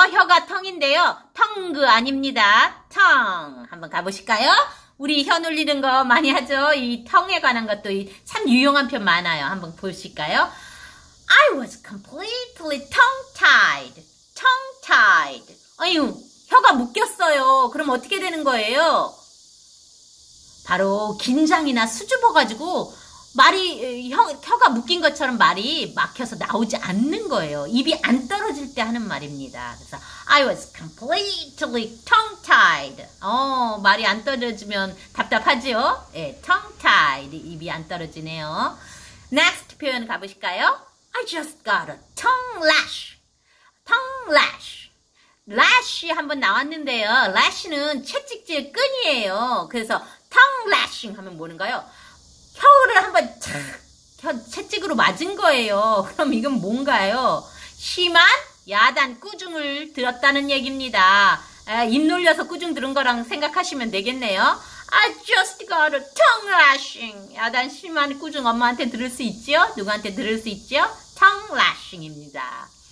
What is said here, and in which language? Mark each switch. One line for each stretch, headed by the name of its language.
Korean: 혀가 tongue인데요. Tongue 아닙니다. Tongue 한번 가보실까요? 우리 혀 놀리는 거 많이 하죠. 이 텅에 관한 것도 참 유용한 표현 많아요. 한번 보실까요?
English: I was completely tongue-tied.
Korean: Tongue-tied. 아유, 혀가 묶였어요. 그럼 어떻게 되는 거예요? 바로 긴장이나 수줍어가지고 말이 혀가 묶인 것처럼 말이 막혀서 나오지 않는 거예요. 입이 안 떨어질 때 하는 말입니다. 그래서
English: I was completely tongue-tied.
Korean: 말이 안 떨어지면 답답하지요? 예, tongue-tied. 입이 안 떨어지네요. Next 표현 가보실까요?
English: I just got a tongue lash. Tongue lash.
Korean: Lash 한번 나왔는데요. Lash는 채찍질 끈이에요. 그래서 tongue lashing 하면 뭐는가요? 혀를 한번 채찍으로 맞은 거예요. 그럼 이건 뭔가요? 심한 야단 꾸중을 들었다는 얘기입니다. 입 놀려서 꾸중 들은 거랑 생각하시면 되겠네요.
English: I just got a tongue lashing.
Korean: 야단 심한 꾸중 엄마한테 들을 수 있죠? 누구한테 들을 수 있죠? Tongue lashing입니다.